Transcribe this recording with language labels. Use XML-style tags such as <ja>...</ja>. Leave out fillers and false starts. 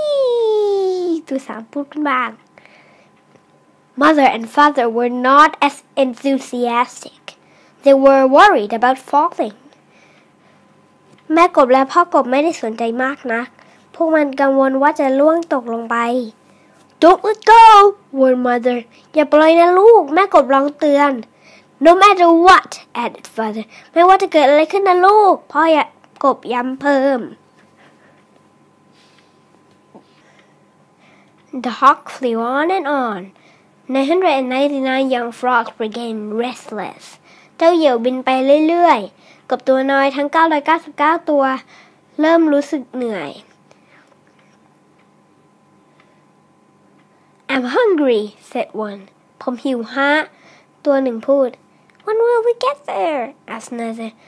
<en>Wee!</en> <th>ตัวสามพูดขึ้นบ้าง</th> <en>Mother and father were not as enthusiastic. They were worried about falling.</en> <th>แม่กบและพ่อกบไม่ได้สนใจมากนะพวกมันกังวลว่าจะร่วงตกลงไป</th> <en>Don't let go! Warned mother.</en> <th>อย่าปล่อยนะลูกแม่กบร้องเตือน</th> <en>No matter what, added father.</en> <th>ไม่ว่าจะเกิดอะไรขึ้นนะลูกพ่ออย่ากบย้ำเพิ่ม</th> <en>The hawk flew on and on. 999 young frogs began restless.</en> <th>เจ้าเหยี่ยวบินไปเรื่อยๆกบตัวน้อยทั้ง999ตัวเริ่มรู้สึกเหนื่อย</th> <en>I'm hungry, said one.</en> <th>ผมหิวฮะตัวหนึ่งพูด</th> <en>When will we get there? asked another.</en>